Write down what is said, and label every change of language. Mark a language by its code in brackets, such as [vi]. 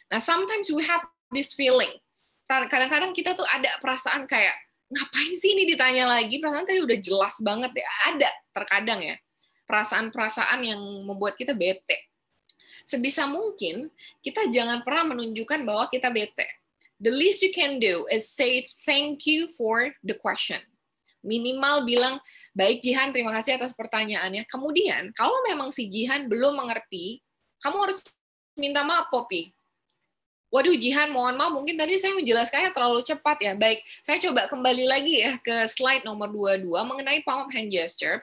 [en] Nah, sometimes we have this feeling. [id] Kadang-kadang kita tuh ada perasaan kayak, ngapain sih ini ditanya lagi? Perasaan tadi udah jelas banget deh. Ada terkadang ya, perasaan-perasaan yang membuat kita bete. Sebisa mungkin, kita jangan pernah menunjukkan bahwa kita bete. [en] The least you can do is say thank you for the question. [id] Minimal bilang, baik Jihan, terima kasih atas pertanyaannya. Kemudian, kalau memang si Jihan belum mengerti, kamu harus minta maaf, Poppy. Waduh, Jihan, mohon maaf, mungkin tadi saya menjelaskannya terlalu cepat ya. Baik, saya coba kembali lagi ya ke slide nomor 22 mengenai palm up hand gesture.